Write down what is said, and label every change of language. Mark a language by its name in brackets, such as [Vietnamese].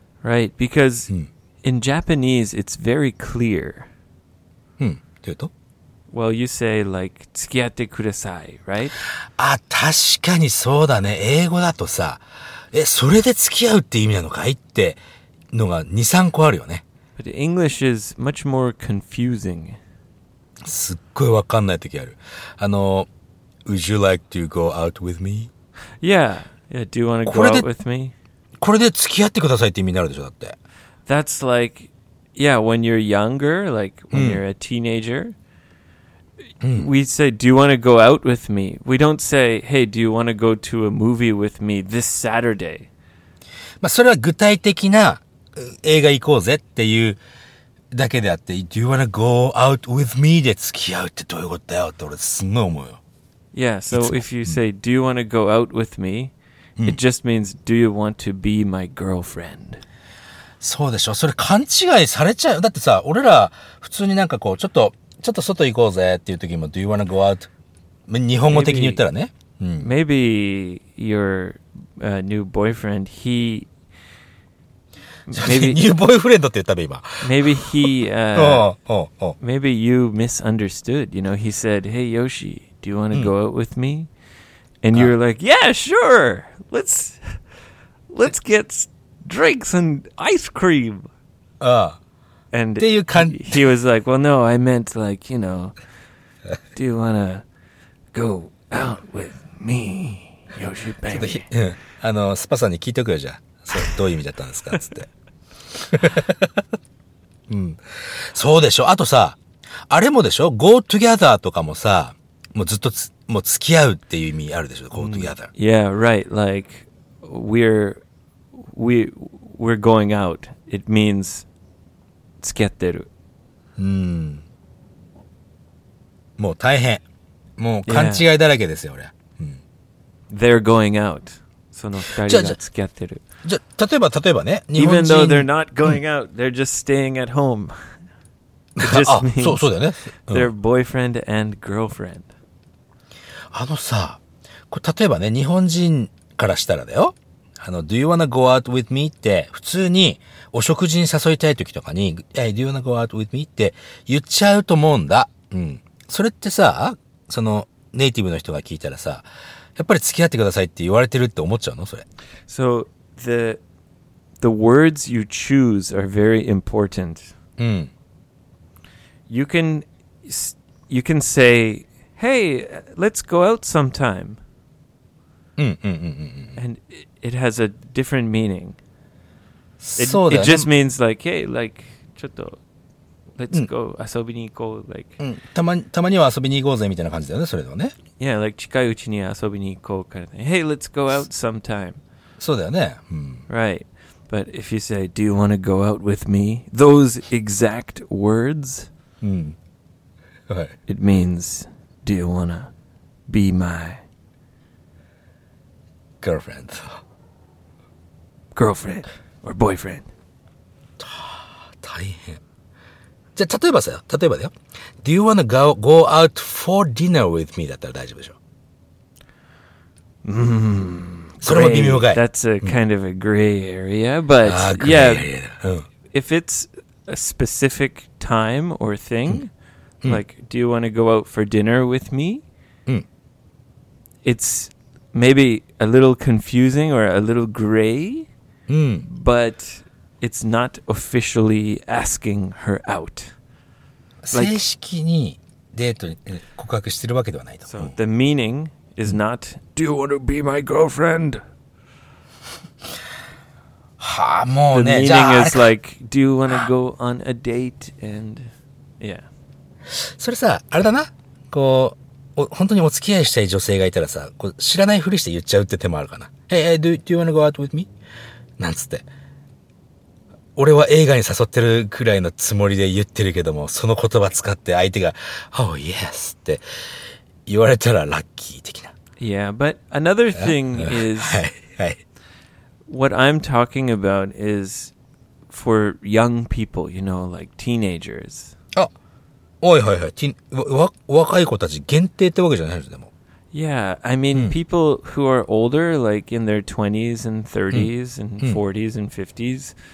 [English] Right, because、うん、in Japanese, it's very clear. [Japanese] うん、というと [English] Well, you say, like, [Japanese] 付き合ってください, [English] right? [Japanese] あ、確かにそうだね。英語だとさ、え、それで付き合うって意味なのかいってのが2、3個あるよね。 [English] But English is much more confusing. [Japanese] すっごいわかんないときある。 [English] あの、Would you like to go out with me? Yeah. Yeah, do you want to go out with me? [Japanese] これで付き合ってくださいって意味になるでしょ、だって。 [English] That's like, yeah, when you're younger, like when、うん、you're a teenager,、 [Japanese] うん、 [English] we say, do you want to go out with me? We don't say, hey, do you want to go to a movie with me this Saturday? [Japanese] まあ、それは具体的な映画行こうぜっていう、だけであって、 [English] Do you wanna go out with me? [Japanese] で付き合うってどういうことだよって俺すんごい思うよ。 [English] Yeah, so if you say, Do you wanna go out with me?、うん、it just means, Do you want to be my girlfriend? [Japanese] そうでしょ。それ勘違いされちゃう。だってさ、俺ら普通になんかこう、ちょっと外行こうぜっていう時も、 [English] Do you wanna go out? [Japanese] 日本語的に言ったらね。 [English] Maybe,、うん、maybe your、new boyfriend, he, [Japanese] Maybe, ニューボーイフレンドって言ったね今 [English] Maybe he Maybe you misunderstood You know he said Hey Yoshi Do you want to、うん、go out with me? And you're like Yeah sure Let's get drinks and ice cream And do you can't... he was like Well no I meant like you know Do you want to go out with me? Yoshi baby ちょ [Japanese] っと、うん、あのスパさんに聞いておくよじゃあそうどういう意味だったんですかつってうん、そうでしょ。あとさ、あれもでしょ。 [English] Go together [Japanese] とかもさ、もうずっとつもう付き合うっていう意味あるでしょ。Go together。 [English] Yeah, right. Like we're going out. It means [Japanese] 付き合ってる。うん。もう大変。もう勘違いだらけですよ。 Yeah. 俺。うん。 [English] They're going out. [Japanese] その二人が付き合ってる。じゃあ例えばね、日本人。 [English] Even though they're not going out,、うん、they're just staying at home. [Japanese] just あ、そうだよね。 [English] their boyfriend and girlfriend. [Japanese] あのさ、例えばね、日本人からしたらだよ。 [English] あの、Do you wanna go out with me? [Japanese] って、普通にお食事に誘いたい時とかに、 [English] Hey, do you wanna go out with me? [Japanese] って言っちゃうと思うんだ。うん。それってさ、その、ネイティブの人が聞いたらさ、やっぱり付き合ってくださいって言われてるって思っちゃうのそれ。 [English] So, the words you choose are very important. [Japanese] うん。 [English] You can say, Hey, let's go out sometime. [Japanese] うんうんうんうん。 [English] And it has a different meaning. [Japanese] そうだね。 [English] It just means like, Hey, like, ちょっと、 Let's、うん、go [Japanese] 遊びに行こう、 [English] like. [Japanese] うん、たまには遊びに行こうぜみたいな感じだよね、それでもね。 [English] Yeah, like [Japanese] 近いうちに遊びに行こうからね。 [English] Hey, let's go out sometime. [Japanese] そうだよね。うん、 [English] right. But if you say, do you want to go out with me? Those exact words,、うん、 it means, do you want to be my girlfriend? Girlfriend or boyfriend? [Japanese] 大変。じゃあ例えばさ、例えばだよ。 [English] Do you want to go out for dinner with me? [Japanese] だったら大丈夫でしょ。それも微妙かい。 [English] That's a kind of a gray area, but yeah, if it's a specific time or thing, like, do you want to go out for dinner with me? It's maybe a little confusing or a little gray, but it's not officially asking her out. [Japanese] Like, 正式にデートに告白してるわけではないと。 [English] So, the meaning is not, do you want to be my girlfriend? [Japanese] はあ、もうね、 [English] the meaning is like, do you want to go on a date? And, yeah. [Japanese] それさ、あれだな。こう、本当にお付き合いしたい女性がいたらさ、こう知らないふりして言っちゃうって手もあるかな。 [English] Hey, do you want to go out with me? [Japanese] なんつって。俺は映画に誘ってるくらいのつもりで言ってるけども、その言葉使って相手が [English] Oh yes [Japanese] って言われたらラッキー的な。 [English] Yeah, but another thing is what I'm talking about is for young people, you know, like teenagers. [Japanese] あ、おいはいはい、若い子たち限定ってわけじゃないですでも。 [English] Yeah, I mean、うん、people who are older, like in their 20s and 30s、うん、and 40s、うん、and 50s.